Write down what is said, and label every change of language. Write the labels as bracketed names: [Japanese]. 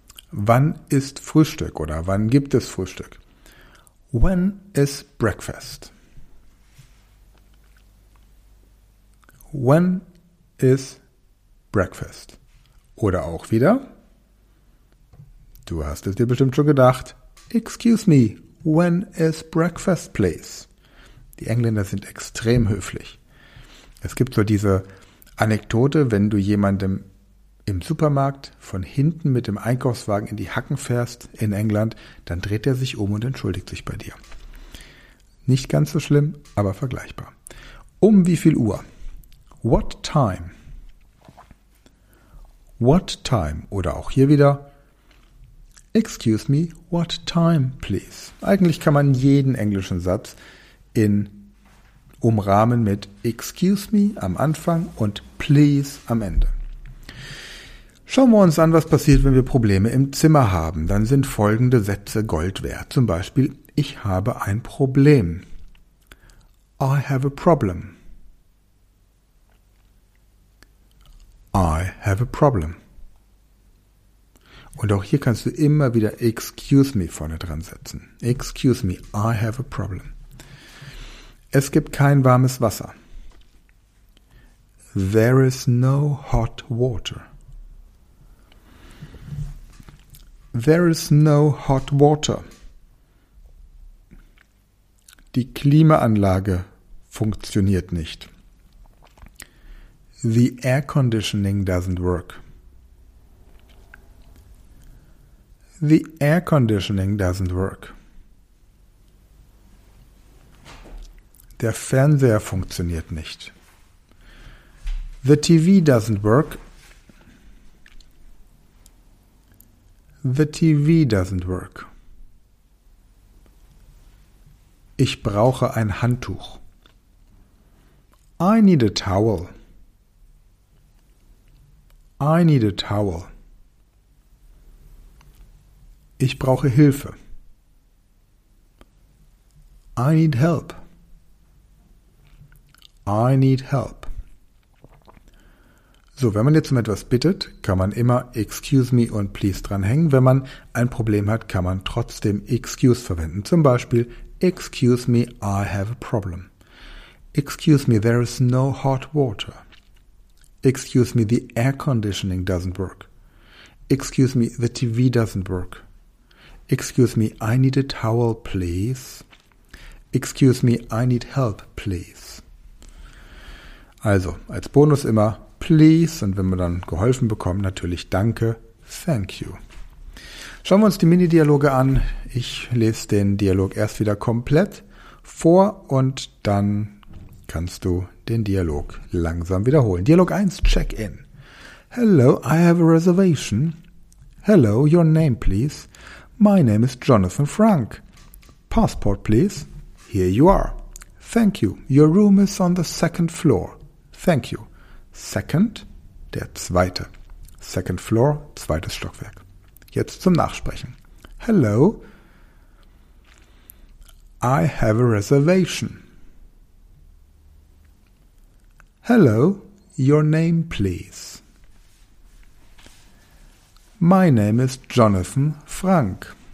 [German] Wann ist Frühstück oder wann gibt es Frühstück? [English] When is breakfast? When is breakfast? [German] Oder auch wieder, du hast es dir bestimmt schon gedacht. [English] Excuse me, when is breakfast, please? [German] Die Engländer sind extrem höflich. Es gibt so diese Anekdote, wenn du jemandem im Supermarkt von hinten mit dem Einkaufswagen in die Hacken fährst in England, dann dreht er sich um und entschuldigt sich bei dir. Nicht ganz so schlimm, aber vergleichbar. Um wie viel Uhr? [English] What time? What time? [German] Oder auch hier wieder, [English] excuse me, what time, please? [German] Eigentlich kann man jeden englischen Satz in umrahmen mit excuse me am Anfang und please am Ende. Schauen wir uns an, was passiert, wenn wir Probleme im Zimmer haben. Dann sind folgende Sätze Gold wert. Zum Beispiel, ich habe ein Problem. [English] I have a problem. I have a problem. [German] Und auch hier kannst du immer wieder excuse me vorne dran setzen. [English] Excuse me, I have a problem. [German] Es gibt kein warmes Wasser. [English] There is no hot water. There is no hot water. [German] Die Klimaanlage funktioniert nicht. [English] The air conditioning doesn't work. The air conditioning doesn't work. [German] Der Fernseher funktioniert nicht. [English] The TV doesn't work. The TV doesn't work. [German] Ich brauche ein Handtuch. [English] I need a towel. I need a towel. [German] Ich brauche Hilfe. [English] I need help. I need help. [German] So, wenn man jetzt um etwas bittet, kann man immer excuse me und please dranhängen. Wenn man ein Problem hat, kann man trotzdem excuse verwenden. Zum Beispiel, [English] excuse me, I have a problem. Excuse me, there is no hot water. Excuse me, the air conditioning doesn't work. Excuse me, the TV doesn't work. Excuse me, I need a towel, please. Excuse me, I need help, please. [German] Also, als Bonus immer, please, und wenn man dann geholfen bekommt, natürlich danke, [English] thank you. [German] Schauen wir uns die Mini-Dialoge an. Ich lese den Dialog erst wieder komplett vor und dann kannst du den Dialog langsam wiederholen. Dialog 1, Check-in. [English] Hello, I have a reservation. Hello, your name, please. My name is Jonathan Frank. Passport, please. Here you are. Thank you. Your room is on the second floor. Thank you. Second, [German] der zweite. [English] Second floor, [German] zweites Stockwerk. Jetzt zum Nachsprechen. [English] Hello, I have a reservation. Hello, your name, please. My name is Jonathan Frank.